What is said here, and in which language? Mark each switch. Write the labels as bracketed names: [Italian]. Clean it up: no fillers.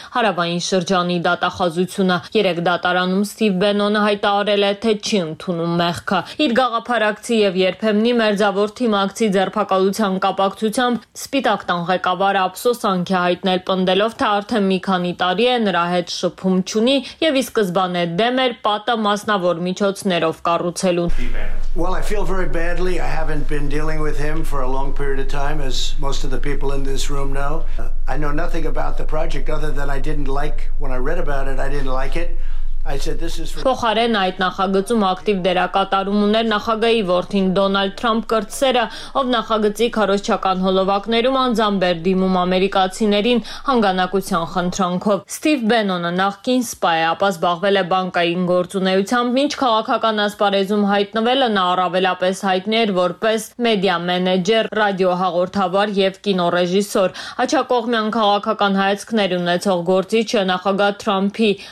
[Armenian] հարավային շրջանի դատախազությունը։ 3 դատարանում Սթիվ Բենոնը հայտարարել է, թե չի ընդունում մեղքը։ Իր գաղափարակցի և երբեմնի մերձավոր թիմակցի ձերբակալության կապակցությամբ Սպիտակ տան ղեկավարը ափսոսանք է հայտնել, պնդելով, թե արդեն մի քանի տարի է նրա հետ շփում չունի և ի սկզբանե դեմ էր պատը մասնավոր միջոցներով կառուցելուն։ [English] Well, I feel very badly. I haven't been dealing with him for a long period of time, as most of the people in this room know. I know nothing about the project other than I didn't like when I read about it. I didn't like it. I said this is for [Armenian] Փոխարեն այդ նախագծում ակտիվ դերակատարում ուներ նախագահի որդին Դոնալդ Թրամփ կրտսերը, ով նախագծի քարոշչական հոլովակներում անձամբ էր դիմում ամերիկացիներին հանգանակության խնդրանքով։ Սթիվ Բենոնը նախկին սպա է, ապա զբաղվել է բանկային գործունեությամբ, ինչ քաղաքական ասպարեզում հայտնվելը նա առավելապես հայտնի էր որպես մեդիա մենեջեր, ռադիոհաղորդավար և կինոռեժիսոր։ Աչակողմյան քաղաքական հայացքներ ունեցող գործիչը նախագահ Թրամփի